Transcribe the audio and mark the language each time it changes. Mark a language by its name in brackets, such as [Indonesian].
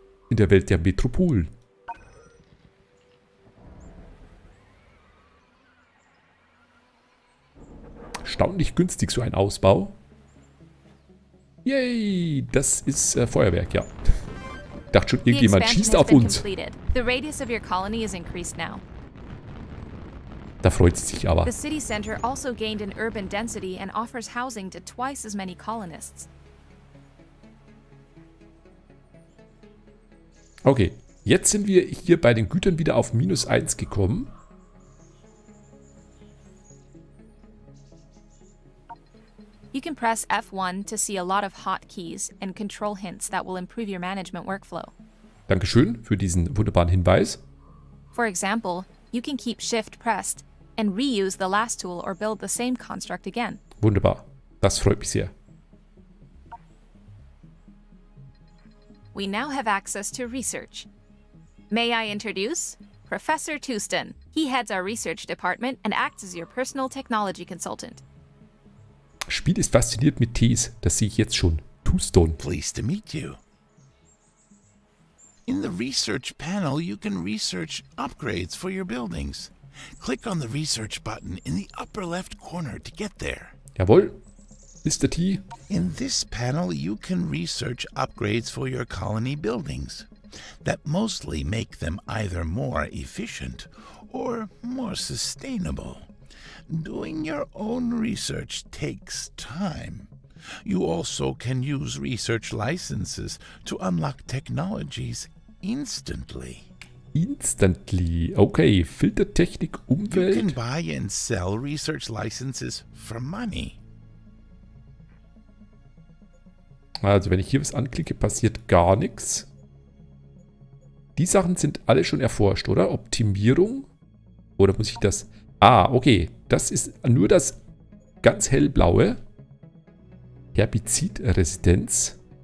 [German] In der Welt der Metropolen. Erstaunlich günstig, so ein Ausbau. Yay, das ist Feuerwerk, ja. Ich dachte schon, irgendjemand schießt auf uns. [English] The radius of your colony is increased now. [German] Da freut sie sich aber. [English] The city center also gained in urban density and offers housing to twice as many colonists. [German] Okay, jetzt sind wir hier bei den Gütern wieder auf minus 1 gekommen. [English] You can press F1 to see a lot of hotkeys and control hints that will improve your management workflow. [German] Dankeschön für diesen wunderbaren Hinweis. [English] For example, you can keep Shift pressed and reuse the last tool or build the same construct again. [German] Wunderbar, das freut mich sehr. [English] We now have access to research. May I introduce Professor Tustin? He heads our research department and acts as your personal technology consultant. [German] Spiel ist fasziniert mit Tees, das sehe ich jetzt schon. Tustin. [English] Pleased to meet you. In the research panel, you can research upgrades for your buildings. Click on the research button in the upper left corner to get there. [German] Jawohl. Mr. T. [English] In this panel, you can research upgrades for your colony buildings that mostly make them either more efficient or more sustainable. Doing your own research takes time. You also can use research licenses to unlock technologies instantly. Instantly. [German] Okay, Filtertechnik, Umwelt. [English] You can buy and sell research licenses for money. [German] Also wenn ich hier was anklicke, passiert gar nichts. Die Sachen sind alle schon erforscht, oder? Optimierung? Oder muss ich das... Ah, okay. Das ist nur das ganz hellblaue. Herbizidresistenz.